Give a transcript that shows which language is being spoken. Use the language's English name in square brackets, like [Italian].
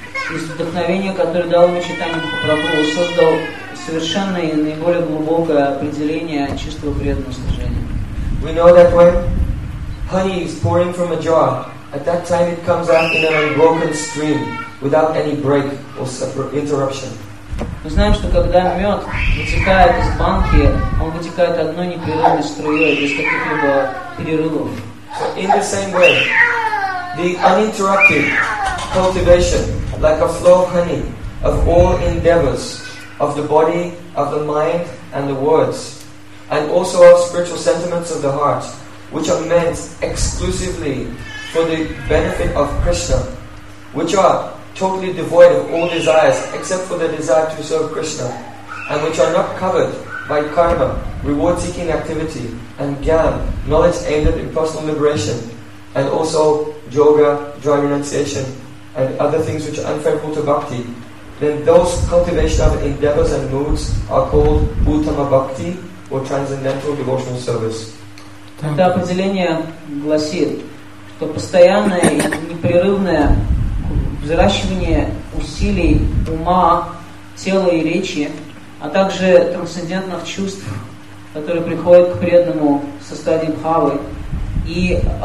[Russian] Из вдохновения, которое дал мне Чайтанья Махапрабху, создал совершенное и наиболее глубокое определение чистого преданного служения. [English] We know that when honey is pouring from a jar, at that time it comes out in an unbroken stream, without any break or separate interruption. [Russian] Мы знаем, что когда мед вытекает из банки, он вытекает одной непрерывной струей, без каких-либо перерывов. [English] So in the same way, the uninterrupted cultivation, like a flow of honey, of all endeavors, of the body, of the mind, and the words, and also of spiritual sentiments of the heart, which are meant exclusively for the benefit of Krishna, which are totally devoid of all desires except for the desire to serve Krishna, and which are not covered by karma, reward-seeking activity, and jnana, knowledge aimed at impersonal liberation, and also yoga, joy renunciation, and other things which are unfavorable to bhakti, then those cultivation of endeavors and moods are called uttama bhakti or transcendental devotional service. [Russian] Это определение гласит, что постоянное и непрерывное взращивание усилий ума, тела и речи, а также трансцендентных чувств, которые приходят к преданному со стадии бхавы, и